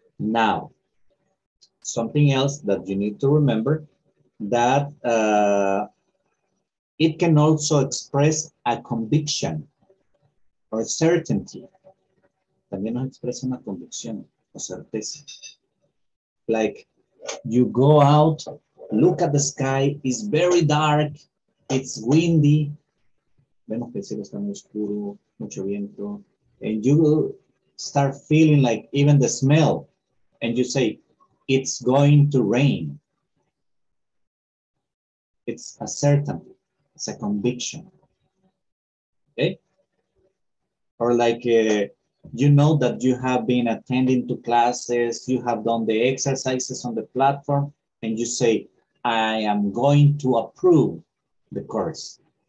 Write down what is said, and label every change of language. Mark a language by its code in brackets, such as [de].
[en] Now, something else that you need to remember that, it can also express a conviction or certainty. [es] También nos expresa una convicción o certeza. [en] Like, you go out, look at the sky, it's very dark, it's windy. [es] Vemos que el cielo está muy oscuro, mucho viento. [en] And you start feeling like even the smell. And you say, it's going to rain. It's a certainty. It's a conviction, okay? Or like, you know that you have been attending to classes, you have done the exercises on the platform, and you say, I am going to approve the course.